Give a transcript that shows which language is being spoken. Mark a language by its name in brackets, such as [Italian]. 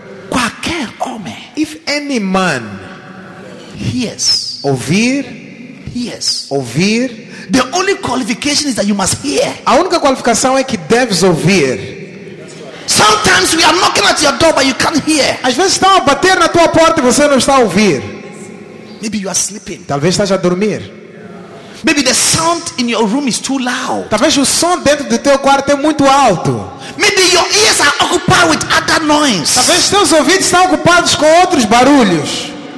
[Portuguese] Qualquer homem. [English] If any man hears. [Portuguese] Ouvir. [English] Hears. [Portuguese] Ouvir. [English] The only qualification is that you must hear. [Portuguese] A única qualificação é que deves ouvir. [English] Sometimes we are knocking at your door but you can't hear. [Portuguese] Às vezes estão a bater na tua porta e você não está a ouvir. [English] Maybe you are sleeping. [Portuguese] Talvez estás a dormir. [English] Maybe the sound in your room is too loud. [Portuguese] Talvez o som dentro do teu quarto é muito alto. [English] Maybe your ears are occupied with other noise. [Portuguese] Talvez teus ouvidos estão ocupados com outros barulhos.